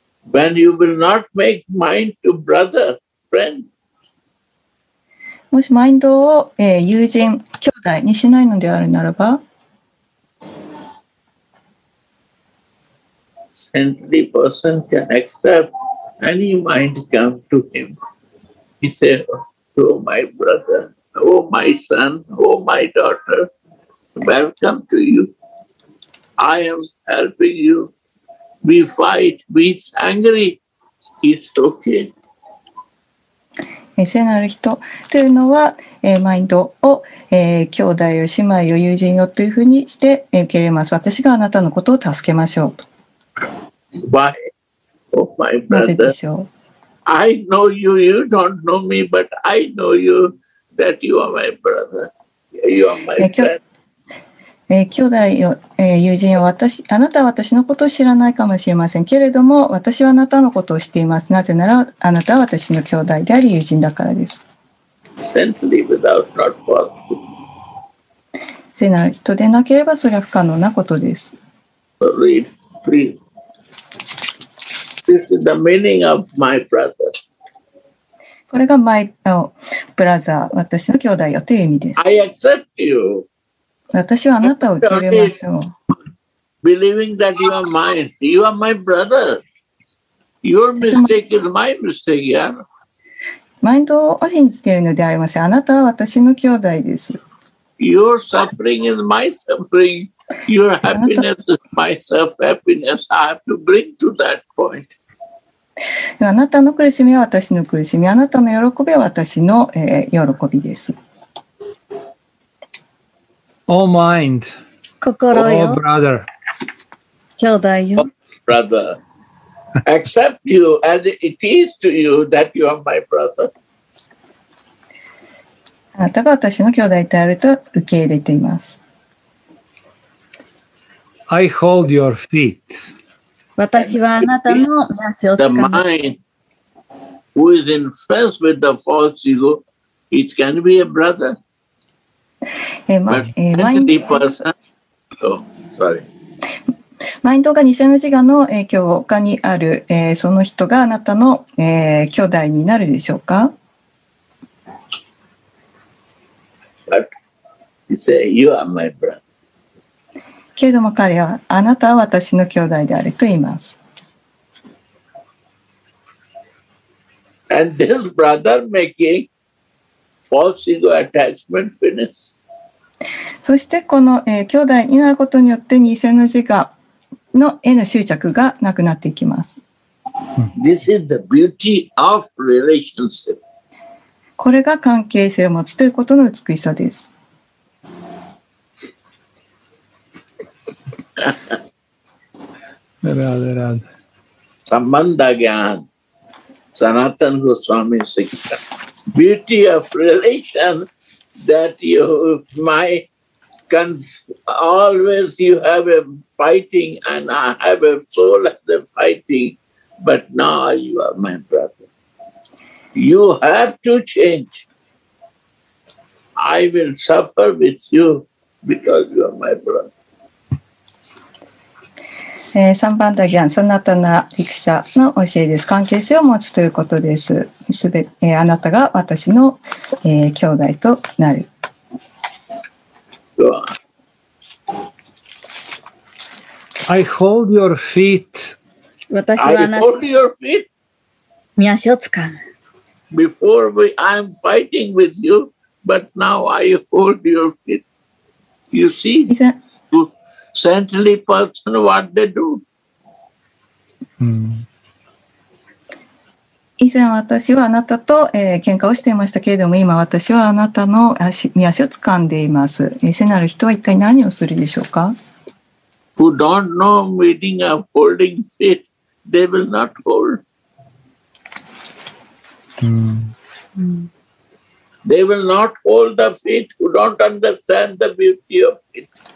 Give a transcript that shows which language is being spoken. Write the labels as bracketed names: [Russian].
[English] When you will not make mind to brother, friend. [Japanese] もしマインドを、友人、兄弟にしないのであるならば、 [English] saintly person can accept. Any mind come to him, he said, Oh my brother, oh my son, oh my daughter, welcome to you. I am helping you. We fight, we are angry. It's okay. [Japanese] 聖なる人というのは、マインドを、兄弟を、姉妹を、友人をというふうにして受け入れます。私があなたのことを助けましょうと。 [English] Why? Oh, my brother, I know you, you don't know me, but I know you, that you are my brother, you are my friend. [Japanese] 兄弟よ、友人よ、私、あなたは私のことを知らないかもしれませんけれども、私はあなたのことを知っています。なぜなら、あなたは私の兄弟であり、友人だからです。 [English] Simply without not possible. [Japanese] 聖なる人でなければ、それは不可能なことです。 [English] Read, please. This is the meaning of my brother. [Japanese] これが [English] my brother、 [Japanese] 私の兄弟よという意味です。 [English] I accept you. [Japanese] 私はあなたを受け入れましょう。 [English] Believing that you are mine, you are my brother. Your mistake is my mistake, yeah? [Japanese] マインドを信じているのでありません。あなたは私の兄弟です。 [English] Your suffering is my suffering. Your happiness is my self-happiness. I have to bring to that point. [Japanese] あなたの苦しみは私の苦しみ、あなたの喜びは私の、喜びです。 [English] All mind. [Japanese] 心よ。 [English] All brother. [Japanese] 兄弟よ。 [English] Brother. Accept you as it is to you that you are my brother. [Japanese] あなたが私の兄弟であると受け入れています。 [English] I hold your feet. [Japanese] 私はあなたの足をつかむ。 [English] The mind who is infested with the false ego, it can be a brother. [Japanese] マインドが偽の自我の影響下にある、その人があなたの、兄弟になるでしょうか。 [English] But he said, you are my brother. [Japanese] けれども彼は、あなたは私の兄弟であると言います。 [English] And this brother making false ego attachment finish. [Japanese] そしてこの、兄弟になることによって偽の自我のへの執着がなくなっていきます。 [English] This is the beauty of relationship. [Japanese] これが関係性を持つということの美しさです。サマンダギャン、サナタンゴスワミシッカ。 [English] Beauty of relation that you, my, always you have a fighting and I have a soul at the fighting, but now you are my brother. You have to change. I will suffer with you because you are my brother. [Japanese] サンバンダギャン、サナタナ・ディクシャの教えです。関係性を持つということです。あなたが私の、兄弟となる。 [English] I hold your feet. [Japanese] 私はあなた。 [English] I hold your feet. [Japanese] 見足をつかむ。 [English] Before we, I'm fighting with you, but now I hold your feet. You see? Saintly person, what they do?、 [Japanese] 以前私はあなたと、喧嘩をしていましたけれども、今私はあなたの身足をつかんでいます。聖なる人は一体何をするでしょうか? [English] Who don't know meaning of holding feet, they will not hold.、They will not hold the feet who don't understand the beauty of it.